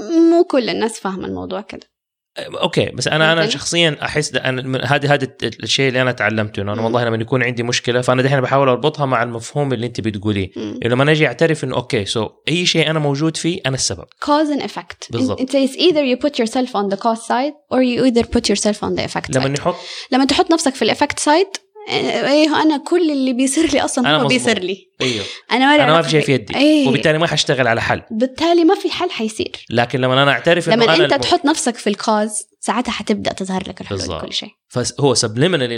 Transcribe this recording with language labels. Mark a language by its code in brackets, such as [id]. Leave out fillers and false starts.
[ar] مو كل الناس فاهم الموضوع كده. اوكي بس انا okay. انا شخصيا احس ان هذه الشيء اللي انا تعلمته انه والله لما يكون عندي مشكله فانا دحين بحاول اربطها مع المفهوم اللي انت بتقوليه. لما نجي اعترف انه اوكي سو اي شيء انا موجود فيه انا السبب, [en] cause and effect. بالضبط. It's either you put yourself on the cause side or you either put yourself on the effect [ar] لما [en] side. [ar] لما تحط نفسك في الايفكت سايد, ايه انا كل اللي بيصير لي اصلا هو بيصير لي. ايوه انا ما في شيء في يدي. أيه. وبالتالي ما حشتغل على حل, بالتالي ما في حل حيصير. لكن لما انا اعترف لما إنه انت تحط نفسك في الكاز, ساعتها حتبدا تظهر لك الحلول بالزبط. كل شيء فهو سبليمينالي.